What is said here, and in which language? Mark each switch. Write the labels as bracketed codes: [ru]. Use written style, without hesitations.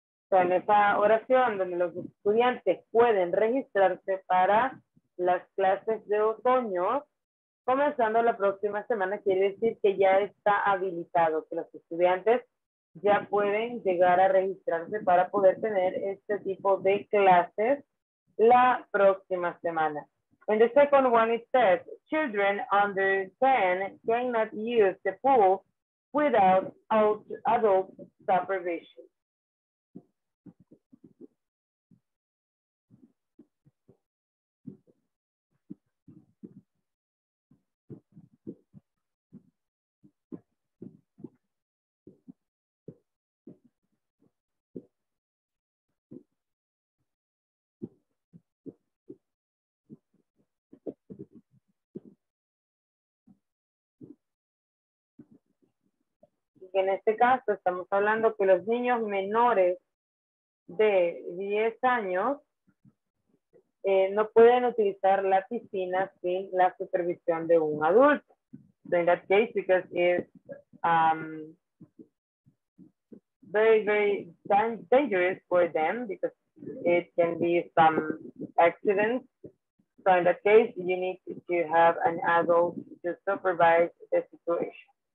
[es] O sea, en esa oración donde los estudiantes pueden registrarse para las clases de otoño, comenzando la próxima semana, quiere decir que ya está habilitado, que los estudiantes ya pueden llegar a registrarse para poder tener este tipo de clases la próxima semana. [en] And the second one, it says, children under 10 cannot use the pool without adult supervision. [es] En este caso, estamos hablando que los niños menores de 10 años no pueden utilizar la piscina sin la supervisión de un adulto. [en] So in that case, because it's very, very dangerous for them because it can be some accidents. So in that case, you need to have an adult to supervise the situation.